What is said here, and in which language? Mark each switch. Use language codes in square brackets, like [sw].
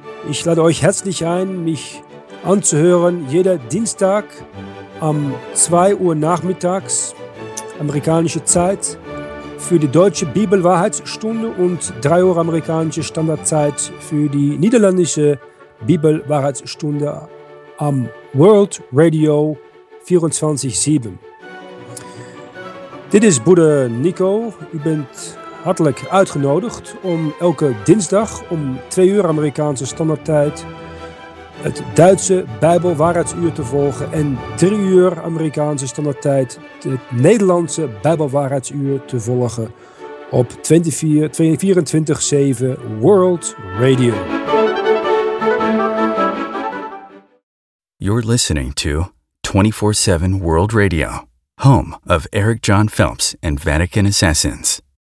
[de] Ich lade euch herzlich ein, mich anzuhören jeder Dienstag um 2 Uhr nachmittags, amerikanische Zeit, für die deutsche Bibelwahrheitsstunde und 3 Uhr amerikanische Standardzeit für die niederländische Bibelwahrheitsstunde am World Radio 24/7. [nl] Dit is Bruder Nico. U bent hartelijk uitgenodigd om elke dinsdag om 2 uur amerikaanse standaardtijd het Duitse Bijbelwaarheidsuur te volgen en 3 uur Amerikaanse standaardtijd het Nederlandse Bijbelwaarheidsuur te volgen op 24/7 World Radio. [en] You're listening to 24/7 World Radio, home of Eric John Phelps and Vatican Assassins.